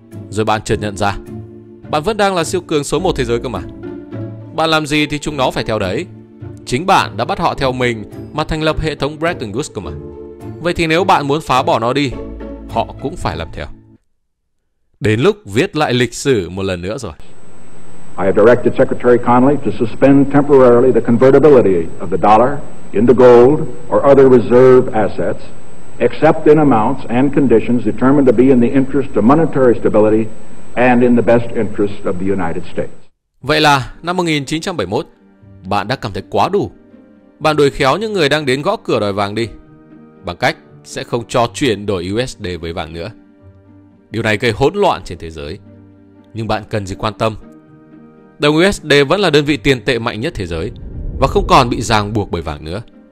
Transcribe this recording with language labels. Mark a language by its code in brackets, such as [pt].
[vi] Rồi bạn chợt nhận ra, bạn vẫn đang là siêu cường số 1 thế giới cơ mà. Bạn làm gì thì chúng nó phải theo đấy. Chính bạn đã bắt họ theo mình mà thành lập hệ thống Bretton Woods cơ mà. Vậy thì nếu bạn muốn phá bỏ nó đi, họ cũng phải làm theo. Đến lúc viết lại lịch sử một lần nữa rồi. [en] I have directed Secretary Connally to suspend temporarily the convertibility of the dollar into gold or other reserve assets, except in amounts and conditions determined to be in the interest of monetary stability and in the best interest of the United States. [vi] Vậy là năm 1971, bạn đã cảm thấy quá đủ. Bạn đuổi khéo những người đang đến gõ cửa đòi vàng đi, bằng cách sẽ không cho chuyển đổi USD với vàng nữa. Điều này gây hỗn loạn trên thế giới. Nhưng bạn cần gì quan tâm? Đồng USD vẫn là đơn vị tiền tệ mạnh nhất thế giới và không còn bị ràng buộc bởi vàng nữa.